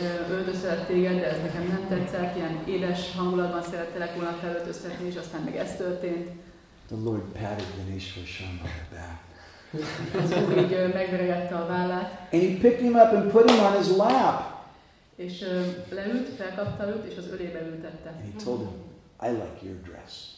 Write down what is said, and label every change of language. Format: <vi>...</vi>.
<hu>Öldözött téged, de ez nekem nem tetszett, ilyen édes hangulatban szerettelek volna felöltöztetni, és aztán meg ez történt.</hu> <en>The Lord patted Dinesh Prasad on the back.</en> <hu>Az Úr így megveregette a vállát.</hu> <en>And he picked him up and put him on his lap.</en> <hu>És leült, felkapta őt, és az ölébe ültette.</hu> <en>And he told him, I like your dress.</en>